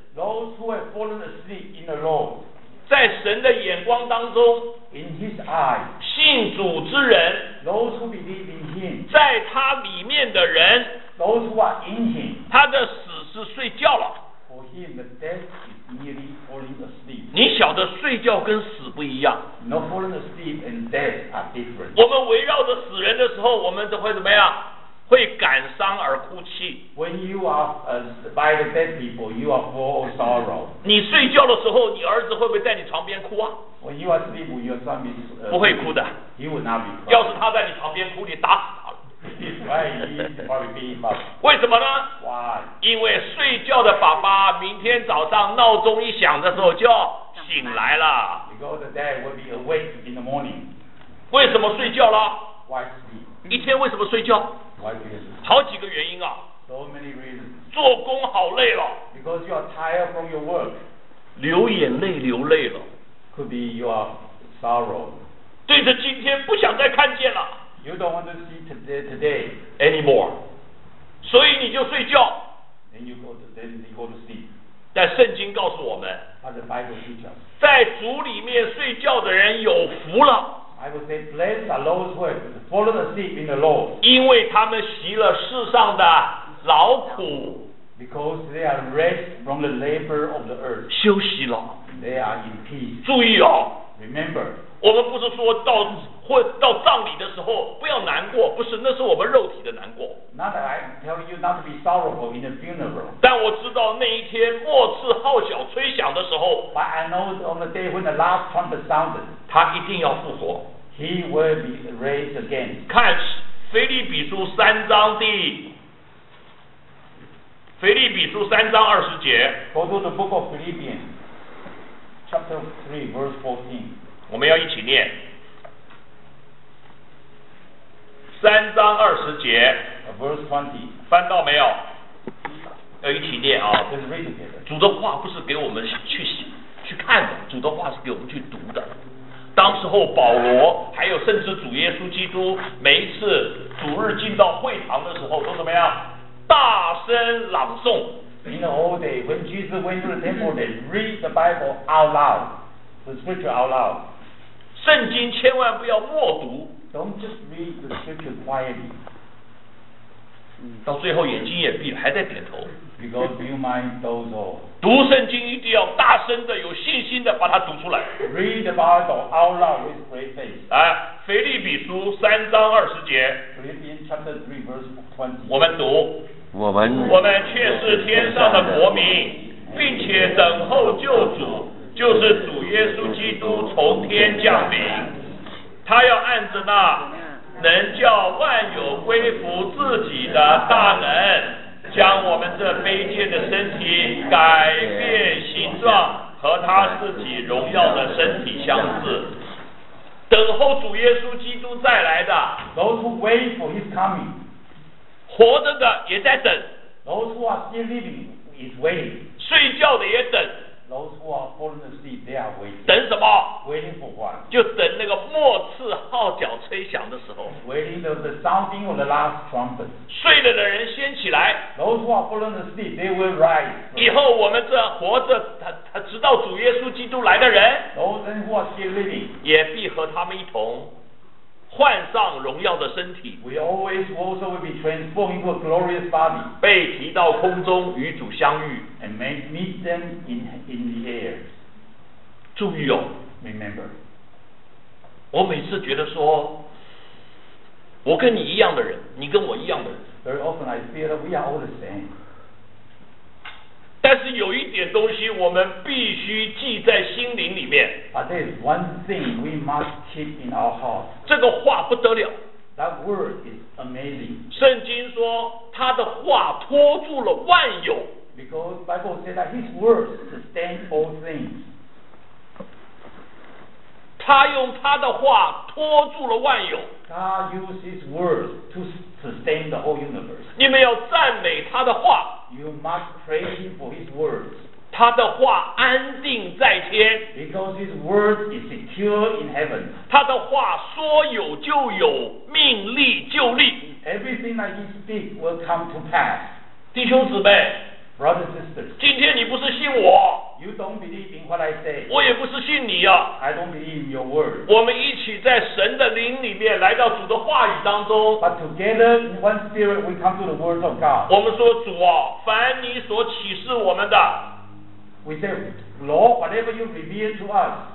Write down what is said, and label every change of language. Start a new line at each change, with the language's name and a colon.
English: Those who have fallen asleep in the Lord
Chinese: 在神的眼光当中
English: In his eye
Chinese: 信主之人
English: Those who believe in him,
Chinese: 在他里面的人
English: those who are in him,
Chinese: 他的死是睡觉了
English: for him, the death is nearly falling asleep.
Chinese: 你晓得睡觉跟死不一样
English: No, falling asleep and death are different.
Chinese: 我们围绕着死人的时候我们都会怎么样会感伤而哭泣
English: When you are by the dead people, you are full of sorrow.
Chinese: 你睡觉的时候你儿子会不会在你床边哭啊
English: When you are asleep, your son is,
Chinese: 不会哭的
English: he will not be
Chinese: 要是他在你旁边哭你打死他了为什么呢
English: Why?
Chinese: 因为睡觉的爸爸明天早上闹钟一响的时候就要醒来了
English: Because the dad will be awake in the morning
Chinese: 为什么睡觉了
English: Why sleep?
Chinese: 一天为什么睡觉
English: Why sleep?
Chinese: 好几个原因啊
English: So many reasons
Chinese: 做工好累了
English: Because you are tired from your work
Chinese: 流眼泪流泪了。
English: Could be you are sorrow.
Chinese: 对着今天不想再看见了。
English: You don't want to see today anymore.
Chinese: 所以你就睡觉。
English: And you go to sleep.
Chinese: 但圣经告诉我们。
English: But the Bible teaches us.
Chinese: 在主里面睡觉的人有福了。
English: I would say, blessed are those who have fallen asleep in the Lord.
Chinese: 因为他们习了世上的劳苦。
English: Because they are rest from the labor of the earth.
Chinese: 休息了。
English: They are in peace.
Chinese: 注意哦。
English: Remember.
Chinese: 我们不是说到或到葬礼的时候不要难过，不是，那是我们肉体的难过。
English: Not that I tell you not to be sorrowful in the funeral.
Chinese: 但我知道那一天末次号角吹响的时候。
English: But I know on the day when the last trumpet sounded.
Chinese: 他一定要复活。
English: He will be raised again.
Chinese: 看腓立比书三章第。腓立比书三章二十节。
English: Go to the book of Philippians, chapter 3, verse 14.
Chinese: 我们要一起念。三章二十节。
English: Verse 20.
Chinese: 翻到没有？要一起念啊。
English: Let's read together.
Chinese: 主的话不是给我们去看的，主的话是给我们去读的。当时候保罗还有甚至主耶稣基督每一次主日进到会堂的时候都怎么样？大声朗诵。
English: In the old day, when Jesus went to the temple, they read the Bible out loud, the scripture out loud.
Chinese: 圣经千万不要默读。
English: Don't just read the scripture quietly.
Chinese: 到最后眼睛也闭了，还在点头。
English: Because you might doze off.
Chinese: 读圣经一定要大声的、有信心的把它读出来。
English: Read the Bible out loud with great faith.
Chinese: 啊，腓立比书三章二十节。
English: Philippians chapter 3 verse 20.
Chinese: 我们读。我们却是天上的国民，并且等候救主，就是主耶稣基督从天降临。他要按着那能叫万有归服自己的大能，将我们这卑贱的身体改变形状，和他自己荣耀的身体相似。等候主耶稣基督再来的
English: ，Those who wait for his coming。
Chinese: 活着的也在等
English: ，Those who are still living is waiting。
Chinese: 睡觉的也等
English: ，Those who are falling asleep they are waiting。
Chinese: 等什么
English: ？Waiting for what？
Chinese: 就等那个末次号角吹响的时候。
English: Waiting for the sounding of the last trumpet。
Chinese: 睡了的人先起来
English: ，Those who are falling asleep they will rise。
Chinese: 以后我们这活着，他直到主耶稣基督来的人
English: ，Those who are still living
Chinese: 也必和他们一同。换上荣耀的身体
English: ，We always also will be transformed into a glorious body，
Chinese: 被提到空中与主相遇
English: ，and meet them in the air。
Chinese: 注意哦
English: ，Remember，
Chinese: 我每次觉得说，我跟你一样的人，你跟我一样的人
English: ，Very often I feel that we are all the same。
Chinese: 但是有一点东西我们必须记在心灵里面。
English: But there is one thing we must keep in our heart.
Chinese: 这个话不得了。
English: That word is amazing.
Chinese: 圣经说他的话托住了万有。
English: Because Bible says that his words sustain all things.
Chinese: 他用他的话托住了万有。
English: God uses his words to sustain the whole universe.
Chinese: 你们要赞美他的话。
English: You must praise him for his words.
Chinese: 他的话安定在天。
English: Because his word is secure in heaven.
Chinese: 他的话说有就有，命立就立。
English: Everything that he speaks will come to pass.
Chinese: 弟兄姊妹。
English: Brothers and sisters.
Chinese: 今天你不是信我。
English: You don't believe in what I say.
Chinese: 我也不是信你啊。
English: I don't believe in your word.
Chinese: 我们一起在神的灵里面来到主的话语当中。
English: But together in one spirit we come to the words of God.
Chinese: 我们说主啊，凡你所启示我们的。
English: We say, Lord, whatever you reveal to us.